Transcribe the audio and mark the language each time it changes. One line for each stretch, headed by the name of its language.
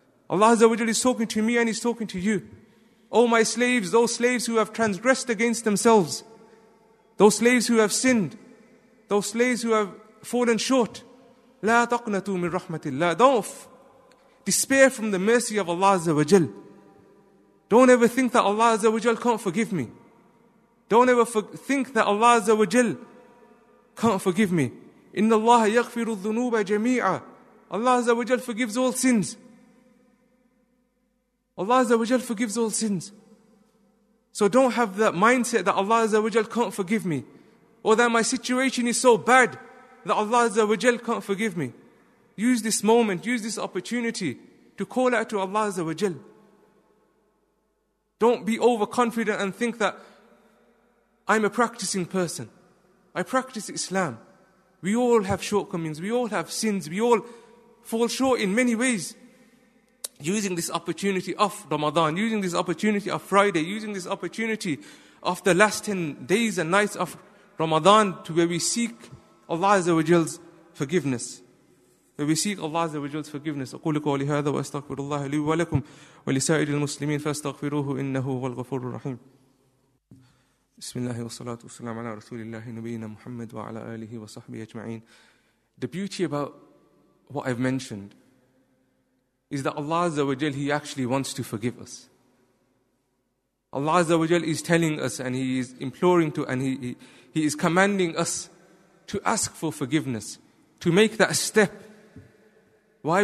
English: Allah Azza wa Jal is talking to me and He's talking to you. Oh my slaves, those slaves who have transgressed against themselves, those slaves who have sinned, those slaves who have fallen short,
Arabic: لا تقنطوا من رحمة الله.
English: Don't despair from the mercy of Allah Azza wa Jal. Don't ever think that Allah Azza wa Jal can't forgive me. Don't ever think that Allah Azza wa Jal can't forgive me.
Arabic: إن الله يغفر الذنوب جميعا.
English: Allah Azza wa Jal forgives all sins. Allah Azza wa Jal forgives all sins. So don't have that mindset that Allah Azza wa Jal can't forgive me. Or that my situation is so bad that Allah Azza wa Jal can't forgive me. Use this moment, use this opportunity to call out to Allah Azza wa Jal. Don't be overconfident and think that I'm a practicing person. I practice Islam. We all have shortcomings, we all have sins, we all fall short in many ways. Using this opportunity of Ramadan, using this opportunity of Friday, using this opportunity of the last 10 days and nights of Ramadan to where we seek Allah Azza wa Jal's forgiveness. Where we seek Allah Azza wa Jal's forgiveness.
Arabic: أقول لكم ولي هذا وأستغفر الله لي ولكم ولسائر المسلمين فاستغفروه إنه هو الغفور الرحيم. بسم الله والصلاة والسلام على رسول الله نبينا محمد وعلى آله وصحبه أجمعين.
English: The beauty about what I've mentioned is that Allah Azza wa Jal, He actually wants to forgive us. Allah Azza wa Jal is telling us and He is imploring to and He is commanding us to ask for forgiveness, to make that step. Why?